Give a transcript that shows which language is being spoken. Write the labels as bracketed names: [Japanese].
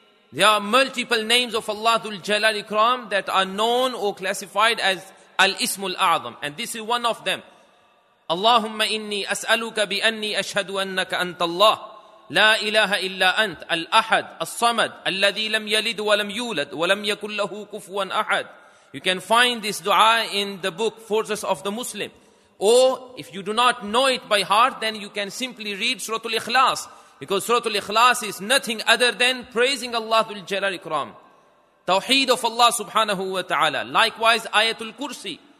[English] There are multiple names of Allah Dhul Jalal Ikram that are known or classified as الاسم الاعظم, and this is one of them. [Arabic] اللهم اني اسالك باني اشهد انك انت الله لا اله الا انت الاحد الصمد الذي لم يلد ولم يولد ولم يكن له كفوا احد. [English] You can find this dua in the book Forces of the Muslim. Or if you do not know it by heart, then you can simply read Suratul Ikhlas. Because Suratul Ikhlas is nothing other than praising Allah Dhul Jalal Ikram. Tawheed of Allah subhanahu wa ta'ala. Likewise, Ayatul Kursi.